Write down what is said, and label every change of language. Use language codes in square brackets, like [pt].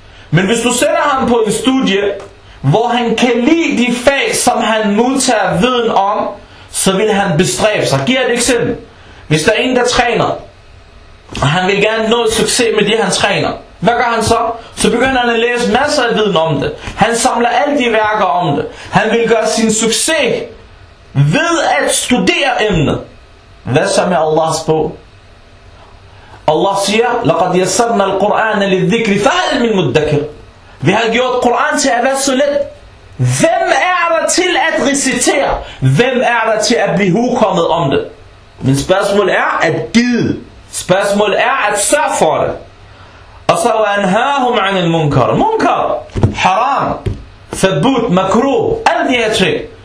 [da] Men hvis du sender ham på en studie, hvor han kan lide de fag, som han modtager viden om, så vil han bestræbe sig. Giv et eksempel. Hvis der er en, der træner, Og han vil gerne nå succes med det, han træner. Hvad gør han så? Så begynder han at læse masser af viden om det. Han samler alle de værker om det. Han vil gøre sin succes ved at studere emnet. Hvad så med Allahs bog? [ar] Allah siger, لَقَدْ يَسَّرْنَا الْقُرْآنَ لِلذِّكْرِ فَهَلْ مِنْ مُدَّكِرْ. [da] Vi har gjort Koran til at være så let. Hvem er der til at recitere? Hvem er der til at blive hukommet om det? Men spørgsmålet er at gide. Spørgsmålet er at sørge for det. Og så er han hørhum an al munkar. Munkar, haram, forbudt, makruh, alle de her ting.